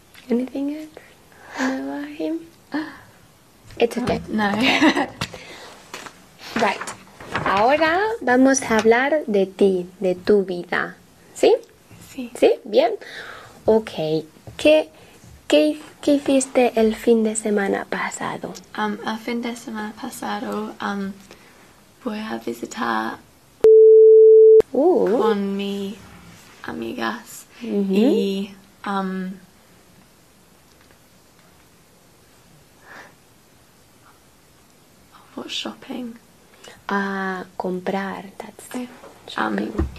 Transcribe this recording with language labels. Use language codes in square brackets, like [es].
[en] Anything else about him? It's okay. No. Right. [es] Ahora vamos a hablar de ti, de tu vida. ¿Sí? Sí. ¿Sí? Bien. Okay. ¿Qué hiciste el fin de semana pasado? El fin de semana pasado, voy a visitar con mi amigas y [en] for shopping. Comprar, that's shopping.